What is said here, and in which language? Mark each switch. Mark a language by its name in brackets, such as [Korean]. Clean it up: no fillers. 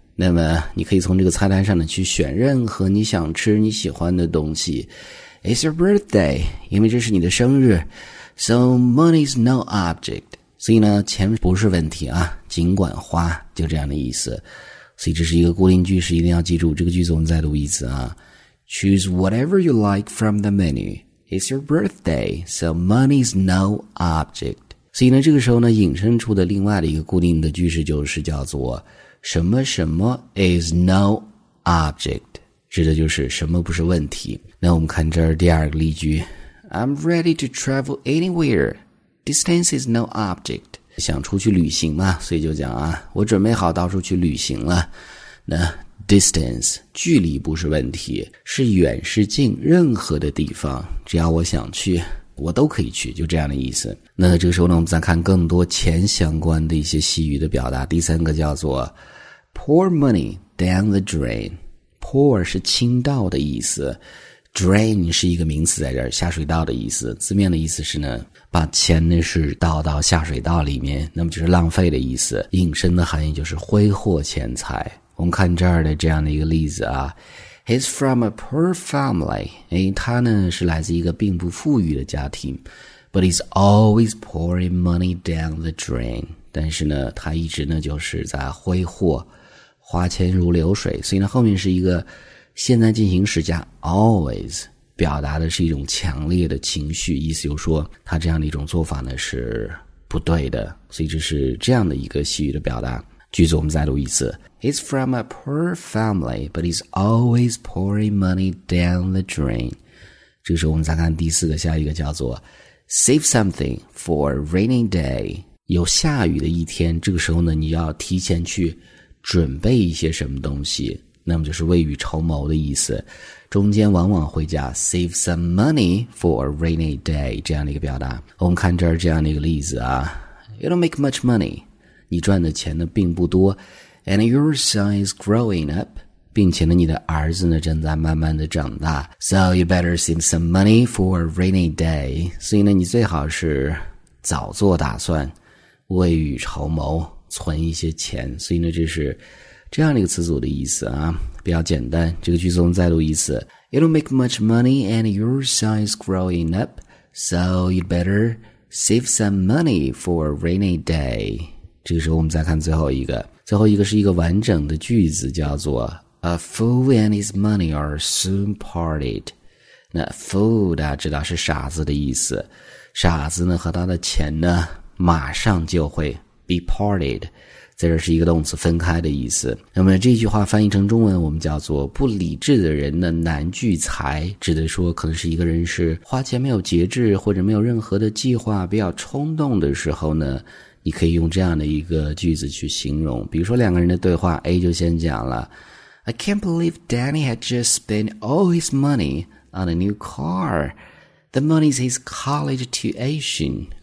[Chinese] 那么你可以从这个菜单上呢去选任何你想吃你喜欢的东西。 [English] It's your birthday. [Chinese] 因为这是你的生日。 [English] So money is no object. [Chinese] 所以呢钱不是问题啊，尽管花，就这样的意思。所以这是一个固定句式，一定要记住。这个句子我们再读一次啊。 [English] Choose whatever you like from the menu. It's your birthday, so money's no object. [Chinese] 所以呢，这个时候呢，引申出的另外的一个固定的句式就是叫做什么什么 [English] is no object， [Chinese] 指的就是什么不是问题。那我们看这儿第二个例句 ， [English] I'm ready to travel anywhere. Distance is no object. [Chinese] 想出去旅行嘛，所以就讲啊，我准备好到处去旅行了。那Distance, 距离不是问题，是远是近，任何的地方，只要我想去，我都可以去，就这样的意思。那这个时候呢，我们再看更多钱相关的一些细语的表达。第三个叫做 [English] Pour money down the drain. [Chinese] Pour 是倾倒的意思， Drain 是一个名词，在这儿下水道的意思，字面的意思是呢，把钱呢是倒到下水道里面，那么就是浪费的意思，引申的含义就是挥霍钱财。我们看这儿的这样的一个例子啊， [English] He's from a poor family. [Chinese] 诶，他呢是来自一个并不富裕的家庭， [English] But he's always pouring money down the drain. [Chinese] 但是呢他一直呢就是在挥霍，花钱如流水。所以呢后面是一个现在进行时加 always， 表达的是一种强烈的情绪，意思就是说他这样的一种做法呢是不对的。所以这是这样的一个细语的表达。句子我们再读一次。 [English] He's from a poor family, but he's always pouring money down the drain. [Chinese] 这个时候我们再看第四个，下一个叫做 [English] Save something for a rainy day. [Chinese] 有下雨的一天，这个时候呢你要提前去准备一些什么东西，那么就是未雨绸缪的意思。中间往往会加 [English] Save some money for a rainy day [Chinese] 这样的一个表达。我们看这儿这样的一个例子啊， [English] You don't make much money. [Chinese] 你赚的钱呢并不多 [English] ，and your son is growing up， [Chinese] 并且呢你的儿子呢正在慢慢的长大 [English] ，so you better save some money for a rainy day。 [Chinese] 所以呢你最好是早做打算，未雨绸缪，存一些钱。所以呢这是这样的一个词组的意思啊，比较简单。这个句子我们再读一次 [English] ：You don't make much money and your son is growing up， so you better save some money for a rainy day。 [Chinese] 这个时候我们再看最后一个，最后一个是一个完整的句子，叫做 [English] A fool and his money are soon parted。 [Chinese] 那 fool 大家知道是傻子的意思，傻子呢和他的钱呢马上就会 [English] be parted， [Chinese] 在这是一个动词，分开的意思。那么这句话翻译成中文我们叫做不理智的人呢难聚财，指的说可能是一个人是花钱没有节制或者没有任何的计划，比较冲动的时候呢，你可以用这样的一个句子去形容。比如说两个人的对话， [English] A 就先讲了 I can't believe Danny had just spent all his money on a new car. The money's his college tuition.